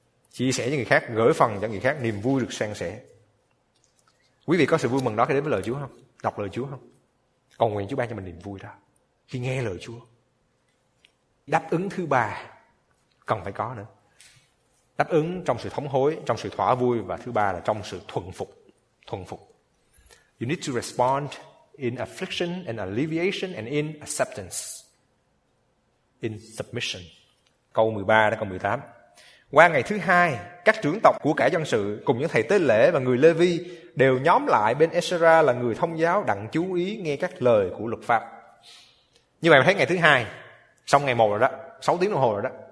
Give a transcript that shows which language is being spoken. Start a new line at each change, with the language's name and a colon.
Vietnamese: Chia sẻ cho người khác, gửi phần cho người khác, niềm vui được san sẻ. Quý vị có sự vui mừng đó khi đến với lời Chúa không? Đọc lời Chúa không? Cầu nguyện Chúa ban cho mình niềm vui đó khi nghe lời Chúa. Đáp ứng thứ ba cần phải có nữa. Đáp ứng trong sự thống hối, trong sự thỏa vui, và thứ ba là trong sự thuần phục. Thuần phục.
English: You need to respond in affliction and alleviation and in acceptance. In submission.
Vietnamese: Câu 13 đến câu 18. Qua ngày thứ hai, các trưởng tộc của cả dân sự cùng những thầy tế lễ và người Lê Vi đều nhóm lại bên Ezra là người thông giáo đặng chú ý nghe các lời của luật pháp. Như vậy mình thấy ngày thứ hai, xong ngày một rồi đó, 6 tiếng đồng hồ rồi đó.